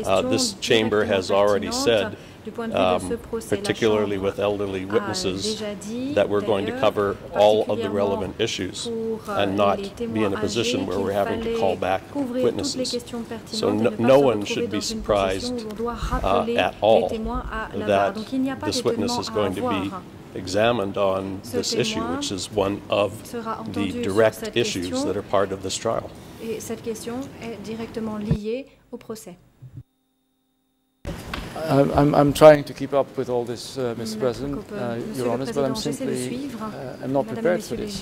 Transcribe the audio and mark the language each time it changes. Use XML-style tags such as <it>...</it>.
<en>This chamber has already said, particularly with elderly witnesses, that we're going to cover all of the relevant issues and not be in a position where we're having to call back witnesses. So no one should be surprised at all that this witness is going to be examined on this issue, which is one of the direct issues that are part of this trial.</en> <fr>Et cette question est directement liée au procès.</fr> <en>I'm trying to keep up with all this, Mr. President, Your Honour, but I'm simply I'm not prepared for this.</en>